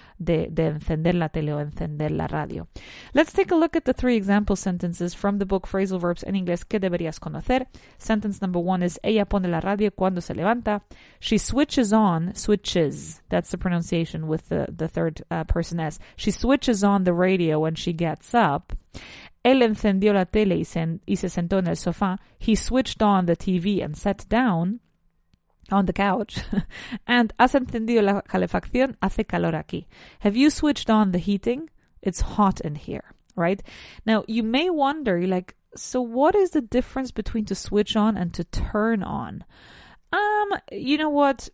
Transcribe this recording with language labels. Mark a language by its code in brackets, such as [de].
[es] De encender la tele o encender la radio. [en] Let's take a look at the three example sentences from the book Phrasal Verbs en Inglés que deberías conocer. Sentence number one is, [es] ella pone la radio cuando se levanta. [en] She switches on, switches. That's the pronunciation with the third person S. She switches on the radio when she gets up. [es] Él encendió la tele y se sentó en el sofá. [en] He switched on the TV and sat down on the couch. [es] And has encendido la calefacción, hace calor aquí. [en] Have you switched on the heating? It's hot in here, right? Now, you may wonder, like, so what is the difference between to switch on and to turn on? You know what?